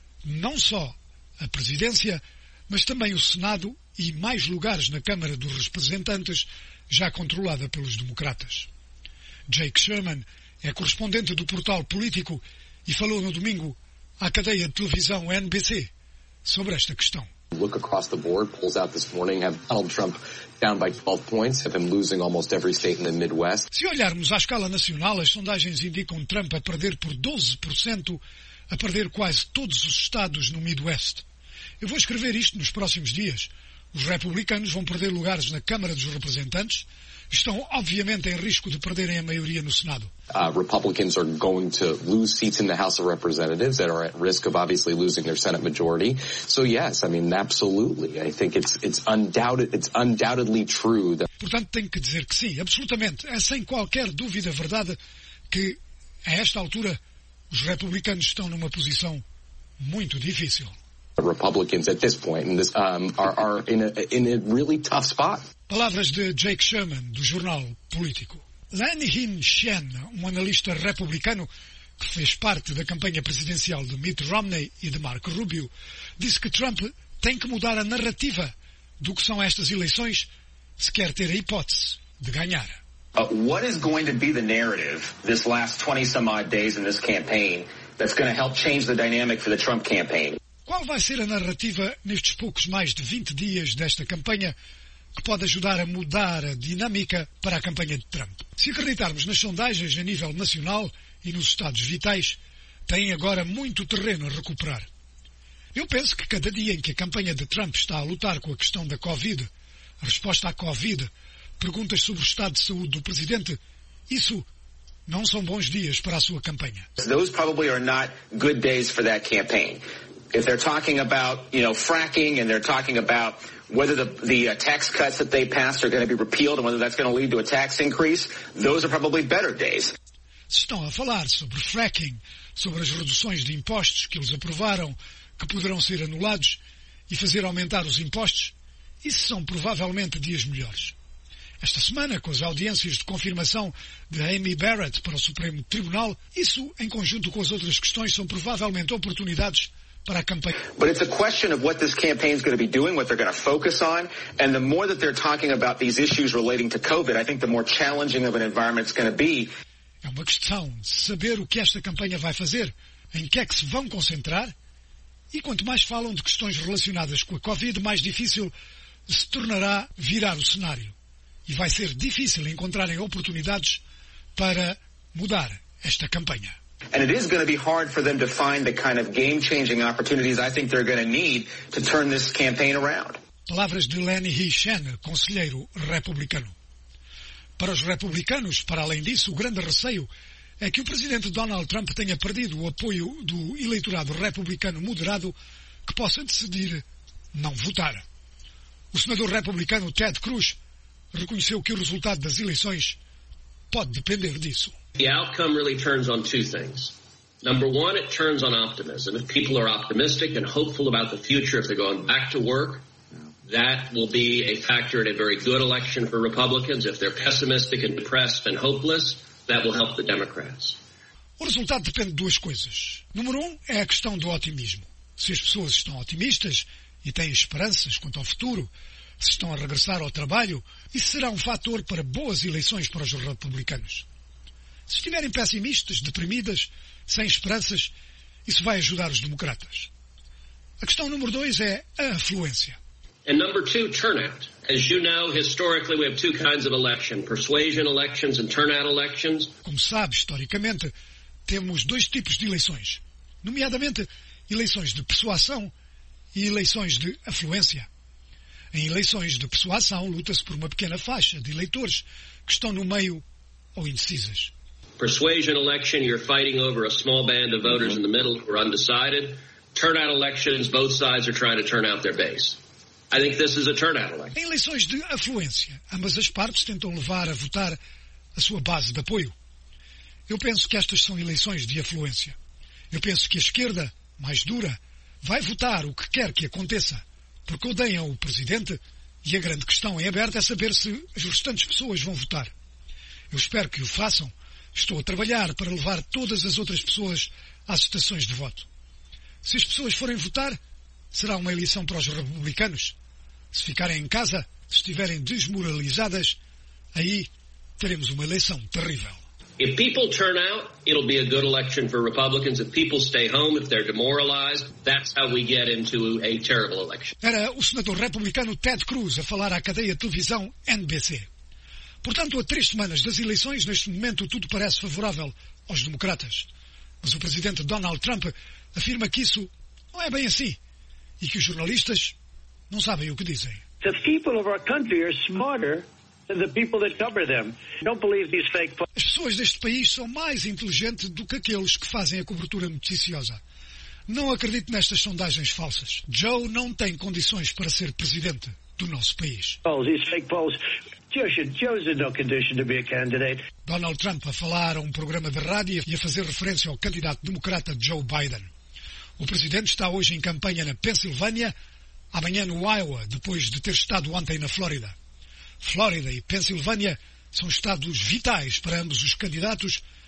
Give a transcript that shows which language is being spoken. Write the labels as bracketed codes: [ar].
[pt] não só a presidência, mas também o Senado e mais lugares na Câmara dos Representantes, já controlada pelos democratas. Jake Sherman é correspondente do portal político e falou no domingo à cadeia de televisão NBC sobre esta questão. [en] Look across the board, polls out this morning have Donald Trump down by 12 points, have him losing almost every state in the Midwest. [pt] Se olharmos à escala nacional, as sondagens indicam Trump a perder por 12%, a perder quase todos os estados no Midwest. Eu vou escrever isto nos próximos dias. Os republicanos vão perder lugares na Câmara dos Representantes. Estão, obviamente, em risco de perderem a maioria no Senado. [en] Republicans are going to lose seats in the House of Representatives that are at risk of obviously losing their Senate majority. So, yes, I mean, absolutely. I think it's undoubtedly true that... [pt] Portanto, tenho que dizer que sim, absolutamente. É sem qualquer dúvida verdade que, a esta altura, os republicanos estão numa posição muito difícil. [en] Republicans at this point in this, are in a really tough spot. [pt] Palavras de Jake Sherman, do jornal Político. Lan Hin Shen, um analista republicano que fez parte da campanha presidencial de Mitt Romney e de Marco Rubio, disse que Trump tem que mudar a narrativa do que são estas eleições se quer ter a hipótese de ganhar. [en] What is going to be the narrative this last 20 some odd days in this campaign that's going to help change the dynamic for the Trump campaign? [pt] Qual vai ser a narrativa nestes poucos mais de 20 dias desta campanha que pode ajudar a mudar a dinâmica para a campanha de Trump? Se acreditarmos nas sondagens a nível nacional e nos estados vitais, têm agora muito terreno a recuperar. Eu penso que cada dia em que a campanha de Trump está a lutar com a questão da Covid, a resposta à Covid, perguntas sobre o estado de saúde do presidente, isso não são bons dias para a sua campanha. [en] Those probably are not good days for that campaign. If they're talking about, you know, fracking and they're talking about whether the tax cuts that they passed are going to be repealed and whether that's going to lead to a tax increase, those are probably better days. [pt] Se estão a falar sobre fracking, sobre as reduções de impostos que eles aprovaram, que poderão ser anulados e fazer aumentar os impostos, isso são provavelmente dias melhores. Esta semana, com as audiências de confirmação de Amy Barrett para o Supremo Tribunal, isso, em conjunto com as outras questões, são provavelmente oportunidades para a campanha. [en] But it's a question of what this campaign is going to be doing, what they're going to focus on, and the more that they're talking about these issues relating to COVID, I think the more challenging of an environment it's going to be. [pt] É uma questão de saber o que esta campanha vai fazer, em que é que se vão concentrar, e quanto mais falam de questões relacionadas com a COVID, mais difícil se tornará virar o cenário. E vai ser difícil encontrarem oportunidades para mudar esta campanha. [en] And it is going to be hard for them to find the kind of game-changing opportunities I think they're going to need to turn this campaign around. [pt] Palavras de Lan Hin Shen, conselheiro republicano. Para os republicanos, para além disso, o grande receio é que o presidente Donald Trump tenha perdido o apoio do eleitorado republicano moderado que possa decidir não votar. O senador republicano Ted Cruz reconheceu que o resultado das eleições pode depender disso. [en] The outcome really turns on two things. Number one, it turns on optimism. If people are optimistic and hopeful about the future, if they're going back to work, that will be a factor in a very good election for Republicans. If they're pessimistic and depressed and hopeless, that will help the Democrats. [pt] O resultado depende de duas coisas. Número um é a questão do otimismo. Se as pessoas estão otimistas e têm esperanças quanto ao futuro, se estão a regressar ao trabalho, isso será um fator para boas eleições para os republicanos. Se estiverem pessimistas, deprimidas, sem esperanças, isso vai ajudar os democratas. A questão número dois é a afluência. [en] And number two, turnout. As you know, historically we have two kinds of election, persuasion elections and turnout elections. [pt] Como sabe, historicamente, temos dois tipos de eleições, nomeadamente eleições de persuasão e eleições de afluência. Em eleições de persuasão, luta-se por uma pequena faixa de eleitores que estão no meio ou indecisas. [en] Persuasion election, you're fighting over a small band of voters in the middle who are undecided. Turnout elections, both sides are trying to turn out their base. I think this is a turnout election. [pt] Em eleições de afluência, ambas as partes tentam levar a votar a sua base de apoio. Eu penso que estas são eleições de afluência. Eu penso que a esquerda, mais dura, vai votar o que quer que aconteça, porque odeiam o presidente e a grande questão em aberto é saber se as restantes pessoas vão votar. Eu espero que o façam. Estou a trabalhar para levar todas as outras pessoas às estações de voto. Se as pessoas forem votar, será uma eleição para os republicanos. Se ficarem em casa, se estiverem desmoralizadas, aí teremos uma eleição terrível. [en] If people turn out, it'll be a good election for Republicans. If people stay home, if they're demoralized, that's how we get into a terrible election. [pt] Era o senador republicano Ted Cruz a falar à cadeia de televisão NBC. Portanto, há 3 semanas das eleições, neste momento tudo parece favorável aos democratas. Mas o presidente Donald Trump afirma que isso não é bem assim e que os jornalistas não sabem o que dizem. [en] The people of our country are smarter than the people that cover them. Don't believe these fake. [pt] As pessoas deste país são mais inteligentes do que aqueles que fazem a cobertura noticiosa. Não acredito nestas sondagens falsas. Joe não tem condições para ser presidente do nosso país. [en] Oh, these fake polls. Joe's in no condition to be a candidate. [pt] Donald Trump a falar a um programa de rádio e a fazer referência ao candidato democrata Joe Biden. O presidente está hoje em campanha na Pensilvânia, amanhã no Iowa, depois de ter estado ontem na Flórida. Flórida e Pensilvânia são estados vitais para ambos os candidatos.